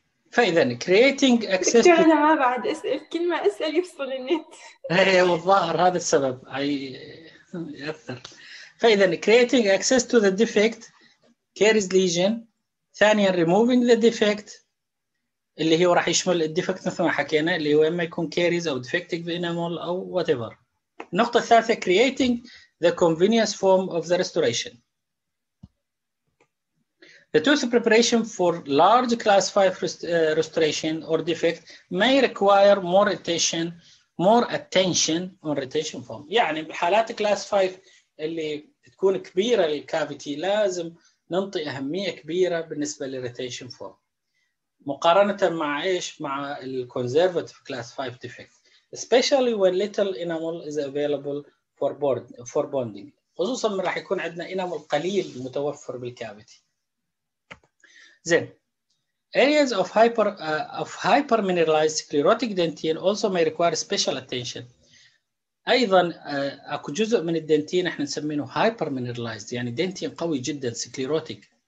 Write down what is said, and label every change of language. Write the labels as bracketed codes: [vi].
[en] فإذا creating access to... [ar] أنا ما بعد أسأل، كل ما أسأل يفصل النت. إيه والظاهر هذا السبب أي يأثر. [en] فإذا creating access to the defect carries lesion. [ar] ثانيا [en] removing the defect [ar] اللي هو راح يشمل الديفكت مثل ما حكينا، اللي هو اما يكون كاريز او ديفكتيك بينامول او وات ايفر. [en] النقطة الثالثة creating the convenience form of the restoration. The tooth preparation for large class 5 restoration or defect may require more attention, on retention form. [ar] يعني بحالات class 5 اللي تكون كبيرة الكافيتي لازم نعطي أهمية كبيرة بالنسبة للريتيشن form. مقارنة مع إيش؟ مع ال [en] conservative class 5 defect. Especially when little enamel is available for bonding. [ar] خصوصاً من راح يكون عندنا enamel قليل متوفر بالكافيتي. [en] Then, areas of hypermineralized sclerotic dentin also may require special attention. [ar] أيضاً أكو جزء من الدنتين إحنا نسمينه hypermineralized، يعني دنتين قوي جداً sclerotic.